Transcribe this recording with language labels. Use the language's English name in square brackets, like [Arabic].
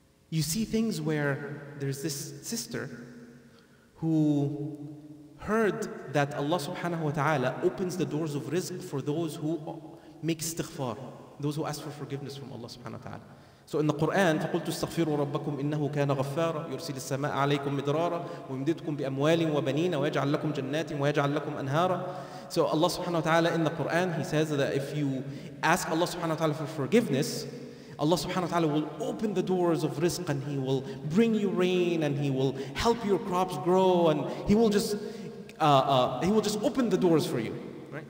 [English] You see things where there's this sister who heard that Allah subhanahu wa ta'ala opens the doors of rizq for those who make istighfar, those who ask for forgiveness from Allah subhanahu wa ta'ala. So in the Quran, [Arabic] فَقُلْتُ اسْتَغْفِرُوا رَبَّكُمْ إِنَّهُ كَانَ غَفَّارًا يُرْسِلِ السَّمَاءَ عَلَيْكُمْ مِدْرَارًا وَيُمْدِدْكُمْ بِأَمْوَالٍ وَبَنِينَ وَيَجْعَلْ لَكُمْ جَنَّاتٍ وَيَجْعَلْ لَكُمْ أَنْهَارًا. [English] So Allah subhanahu wa ta'ala in the Quran, he says that if you ask Allah subhanahu wa ta'ala for forgiveness, Allah subhanahu wa ta'ala will open the doors of rizq and he will bring you rain and he will help your crops grow and he will just open the doors for you. Right?